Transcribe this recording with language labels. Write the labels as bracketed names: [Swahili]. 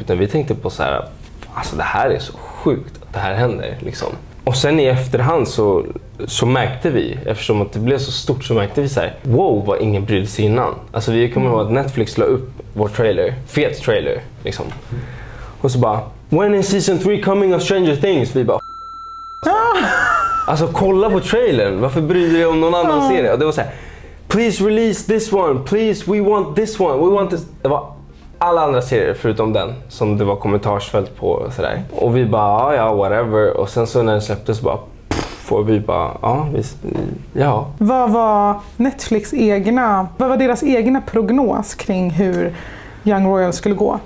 [Swedish] Utan vi tänkte på så här. Alltså det här är så sjukt att det här händer liksom. Och sen i efterhand så märkte vi, eftersom att det blev så stort, så märkte vi så här, wow, vad ingen brydde sig innan. Alltså vi kommer ihåg att Netflix la upp vår trailer, fet trailer liksom. Och så bara, [English] when is season 3 coming of Stranger Things? [Swedish] Vi bara, alltså kolla på trailern, varför bryr du dig om någon annan serie? Och det var så här, [English] please release this one, please, we want this one, we want this. [Swedish] Det var alla andra serier förutom den som det var kommentarsfält på och sådär. Och vi bara, ah, ja, whatever. Och sen så när den släpptes bara, pff, och vi bara, ja. Vad var Netflix egna, vad var deras egna prognos kring hur Young Royals skulle gå?